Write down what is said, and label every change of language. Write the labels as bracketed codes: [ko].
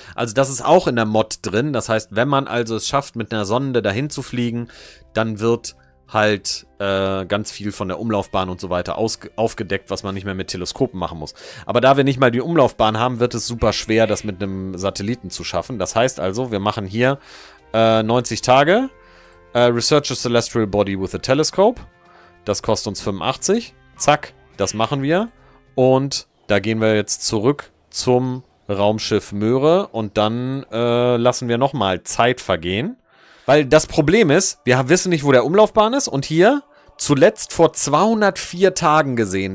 [de] Also das ist auch in der Mod drin. Das heißt, wenn man also es schafft, mit einer Sonde dahin zu fliegen, dann wird halt ganz viel von der Umlaufbahn und so weiter aufgedeckt, was man nicht mehr mit Teleskopen machen muss. Aber da wir nicht mal die Umlaufbahn haben, wird es super schwer, das mit einem Satelliten zu schaffen. Das heißt also, wir machen hier 90 Tage. [en] Research a celestial body with a telescope. [de] Das kostet uns 85. Zack, das machen wir. Und da gehen wir jetzt zurück zum Raumschiff Möhre. Und dann lassen wir nochmal Zeit vergehen. Weil das Problem ist, wir wissen nicht, wo der Umlaufbahn ist. Und hier zuletzt vor 204 Tagen gesehen.